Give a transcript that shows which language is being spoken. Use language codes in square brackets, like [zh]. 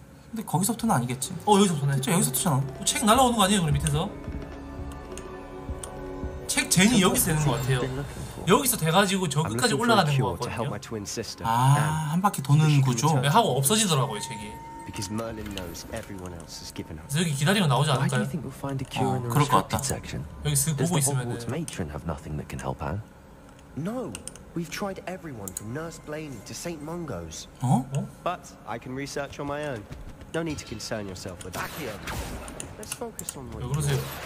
[ko] 근데 거기서부터는 아니겠지. 어 여기서부터네. 진짜 여기서부터잖아. 어, 책 날라오는 거 아니에요 그럼 밑에서? 책 제니 여기서 되는 거 같아요. 여기서 돼가지고 저 끝까지 올라가는 거 같거든요. 아 한 바퀴 도는 구조? 하고 없어지더라고요 책이. [en] because Merlin knows everyone else has given up. [ko] 여기 기다리고 나오지 않을까요? 그럴 것 같다. 여기 보고 있으면 [en] have nothing that can help her. No. We've tried everyone from Nurse Blaney to St. Mungo's. 어? But I can research on my own. No need to concern yourself with that. Akio. Let's focus on what. [ko] 그러세요.